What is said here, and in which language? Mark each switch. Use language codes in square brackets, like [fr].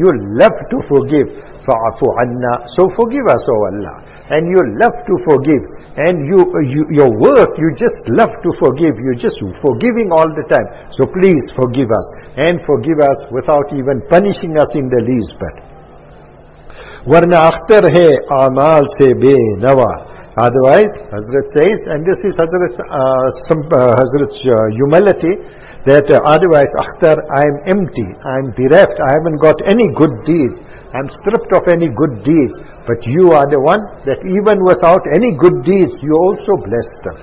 [en] You love to forgive. [ar] فَعَفُوا عَنَّا. [en] So forgive us, O Allah. And you love to forgive. And your work, you just love to forgive. You're just forgiving all the time. So please forgive us. And forgive us without even punishing us in the least bit. [ur] ورنہ اختر ہے اعمال سے بے نوا. [en] Otherwise, Hazrat says, and this is Hazrat's humility, that otherwise, akhtar, I am empty, I am bereft, I haven't got any good deeds, I am stripped of any good deeds, but you are the one that even without any good deeds, you also blessed them.